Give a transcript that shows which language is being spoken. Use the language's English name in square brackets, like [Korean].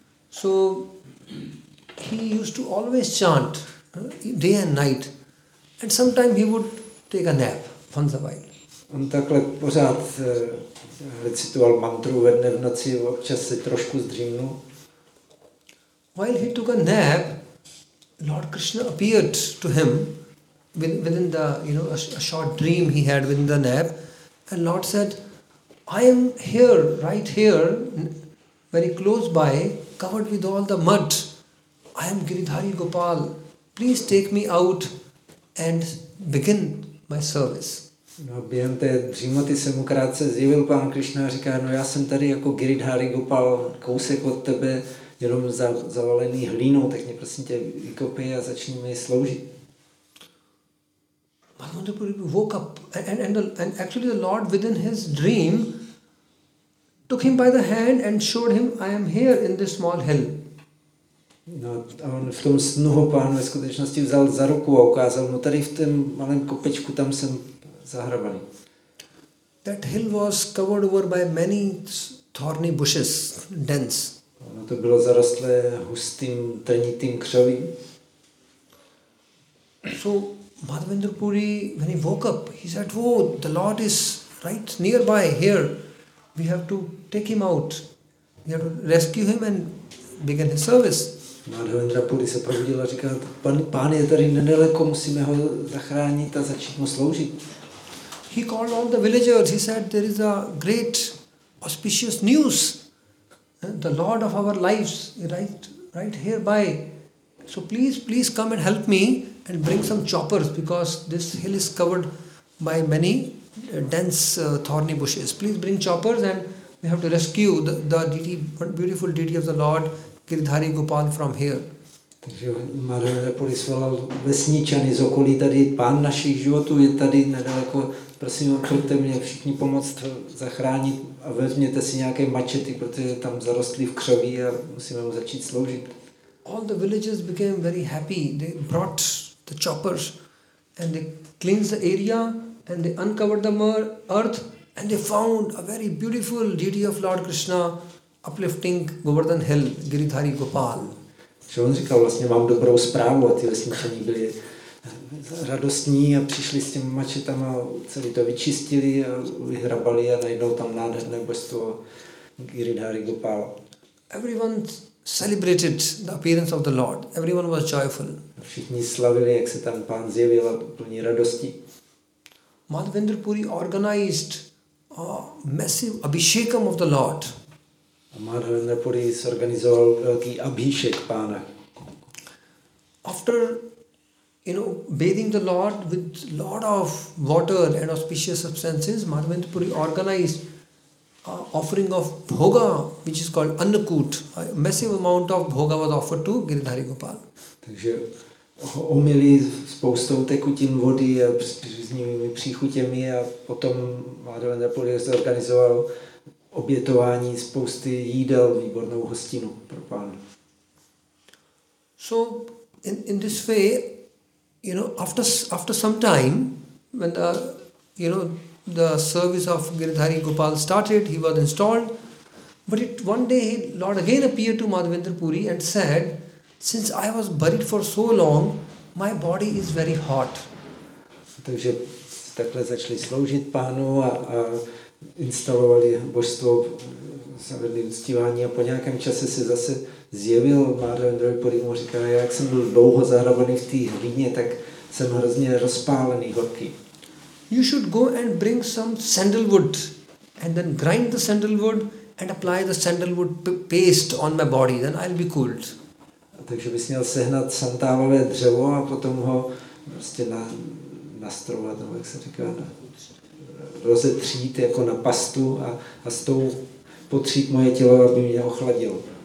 [English] So he used to always chant day and night, and sometime he would take a nap once a while. [Czech] On takhle pořád recitoval mantru ve dne v noci, občas se trošku zdřímnul. [English] While he took a nap, Lord Krishna appeared to him within the, you know, a short dream he had within the nap, and Lord said, I am here, right here, very close by, covered with all the mud. I am Giridhari Gopal. Please take me out and begin my service. [Czech] No, během té dřímoty se mu krátce zjevil pán Krishna a říká, no já jsem tady jako Giridhari Gopal, kousek od tebe, jenom zavalený hlínou, tak mě prosím tě vykopej a začni mi sloužit. [English] Madhavendra Puri woke up and actually the Lord within his dream took him by the hand and showed him, I am here in this small hill. [Czech] No, a on v tom snu ho pán ve skutečnosti vzal za ruku a ukázal mu, tady v tom malém kopečku tam jsem zahrabaný. [English] That hill was covered over by many thorny bushes, dense. [Czech] To bylo zarostlé hustým, trnitým křovím. [English] So Madhavendra Puri, when he woke up, he said, oh, the Lord is right nearby here. We have to take him out. You have to rescue him and begin his service. [Czech] Madhavendra Puri se probudil a říkal, pán je tady nedaleko, musíme ho zachránit a začít mu sloužit. [English] He called all the villagers, he said, there is a great auspicious news. The Lord of our lives is right hereby. So please come and help me and bring some choppers because this hill is covered by many dense thorny bushes. Please bring choppers and we have to rescue the deity, beautiful deity of the Lord, Giridhari Gopal from here. [Czech] Takže Madhavendra Puri svolal vesničany z okolí tady, pán našich životů je tady nedaleko, prosím, pojďte mě všichni pomoct zachránit a vezměte si nějaké mačety, protože tam zarostly v křoví a musíme mu začít sloužit. [English] All the villagers became very happy, they brought the choppers and they cleansed the area and they uncovered the earth and they found a very beautiful deity of Lord Krishna uplifting Govardhan Hill, Giridhari Gopal. [Czech] Že on říkal, vlastně mám dobrou zprávu a ty vesničani byli radostní a přišli s těmi mačetama, celý to vyčistili a vyhrabali a najednou tam nádherné božstvo Giridhari Gopal. [English] Everyone celebrated the appearance of the Lord. Everyone was joyful. [Czech] Všichni slavili, jak se tam pán zjevil a plní radosti. [English] Madhavendra Puri organized a massive abhishekam of the Lord. [Czech] A Madhavendra Puri zorganizoval velký abhishek pána. [English] After, you know, bathing the Lord with lot of water and auspicious substances, Madhavendra Puri organized offering of bhoga, which is called annakoot. A massive amount of bhoga was offered to Giridhari Gopal. [Czech] Takže omily spoustou tekutin vody a různými příchutěmi a potom Madhavendra Puri zorganizoval obětování spousty jídel, výbornou hostinu pro pána. [English] So in this way, you know, after some time, when the, you know, the service of Giridhari Gopal started, he was installed, but one day Lord again appeared to Madhavendra Puri and said, since I was buried for so long, my body is very hot. [Czech] Takže takhle začali sloužit pánu a instalovali božstvo, zavedli uctívání a po nějakém čase se zase zjevil Madhavendra Puri, mu říká, jak jsem byl dlouho zahrabaný v té hlíně, tak jsem hrozně rozpálený, horký. [English] You should go and bring some sandalwood and then grind the sandalwood and apply the sandalwood paste on my body, then I'll be cooled. [Czech] Takže bys měl sehnat santálové dřevo a potom ho prostě nastrovat, nebo jak se říká, rozetřít jako na pastu a s tou potřít moje tělo, aby mě ochladilo.